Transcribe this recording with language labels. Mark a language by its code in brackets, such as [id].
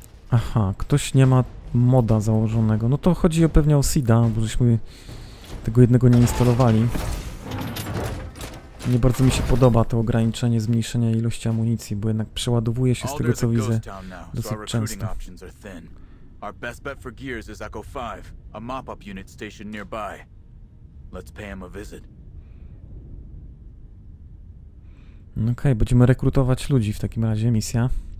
[pl] Aha, ktoś nie ma moda założonego. No to chodzi pewnie o Seeda, bo żeśmy tego jednego nie instalowali. Nie bardzo mi się podoba to ograniczenie zmniejszenia ilości amunicji, bo jednak przeładowuje się z tego co widzę dosyć często. [en] Our best bet for gears is Echo 5, a mop-up unit stationed nearby. Let's pay him a visit. [pl] Okej, będziemy rekrutować ludzi w takim razie, misja.